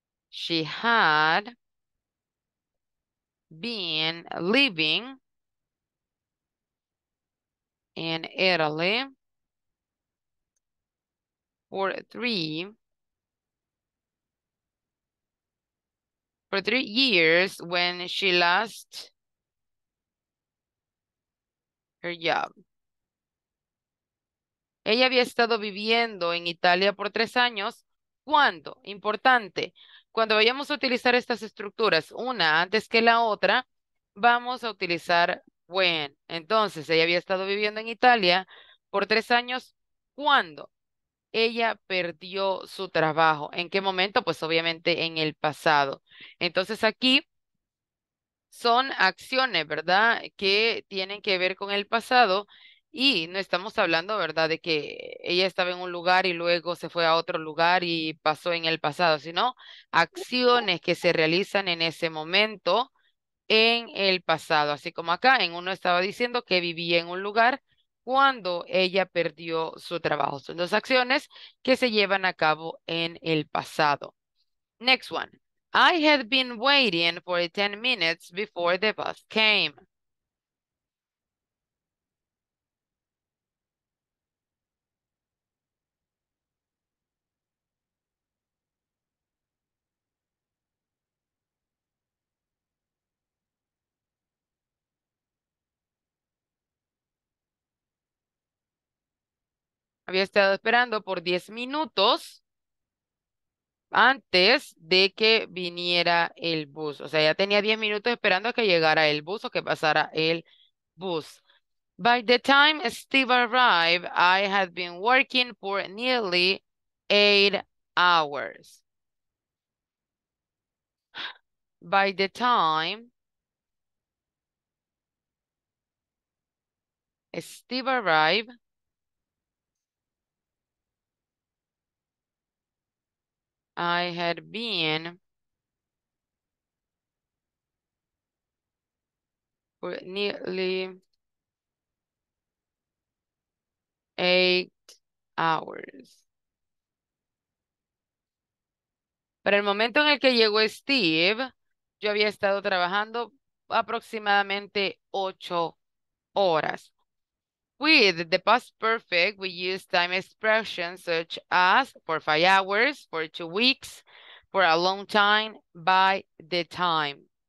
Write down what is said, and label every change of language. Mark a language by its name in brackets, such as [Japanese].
[English] She had been living in Italy for three years when she lost her job. [Spanish] Ella había estado viviendo en Italia por 3 años. ¿Cuándo? Importante. Cuando vayamos a utilizar estas estructuras, una antes que la otra, vamos a utilizar when. Entonces, ella había estado viviendo en Italia por 3 años. ¿Cuándo? Ella perdió su trabajo. ¿En qué momento? Pues obviamente en el pasado. Entonces, aquí son acciones, ¿verdad?, que tienen que ver con el pasado Y no estamos hablando, ¿verdad?, de que ella estaba en un lugar y luego se fue a otro lugar y pasó en el pasado, sino acciones que se realizan en ese momento en el pasado. Así como acá, en uno estaba diciendo que vivía en un lugar cuando ella perdió su trabajo. Son dos acciones que se llevan a cabo en el pasado. [English] Next one. I had been waiting for 10 minutes before the bus came. [Spanish] Había estado esperando por 10 minutos antes de que viniera el bus. O sea, ya tenía 10 minutos esperando a que llegara el bus o que pasara el bus. [English] By the time Steve arrived, I had been working for nearly 8 hours. By the time Steve arrived, I had been for nearly 8 hours. [Spanish] Para el momento en el que llegó Steve, yo había estado trabajando aproximadamente 8 horas. [English] With the past perfect, we use time expressions such as for 5 hours, for 2 weeks, for a long time, by the time.